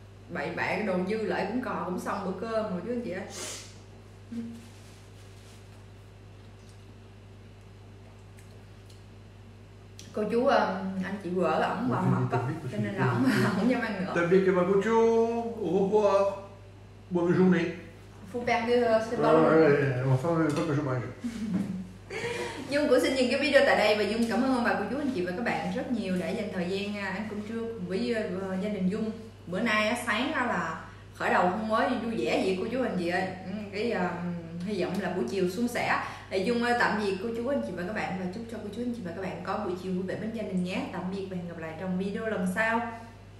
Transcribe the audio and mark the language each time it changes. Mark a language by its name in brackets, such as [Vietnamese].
[Vietnamese] Bậy bạ cái đồ dư lại cũng còn cũng xong bữa cơm rồi chứ anh chị ơi. Cô chú anh chị vợ ổng qua mặt cho nên là ổng không dám ăn nữa. Tạm biệt các bạn cô chú. [French] Au revoir. Bonne journée. Mon frère ne veut pas que je mange. [Vietnamese] Dung cũng xin dừng cái video tại đây và Dung cảm ơn bà cô chú anh chị và các bạn rất nhiều đã dành thời gian ăn cơm trưa cùng với gia đình Dung. Bữa nay sáng ra là khởi đầu không mới vui vẻ vậy cô chú anh chị ơi. Cái hy vọng là buổi chiều suôn sẻ. Thì Dung tạm biệt cô chú anh chị và các bạn và chúc cho cô chú anh chị và các bạn có buổi chiều vui vẻ bên gia đình nhé. Tạm biệt và hẹn gặp lại trong video lần sau.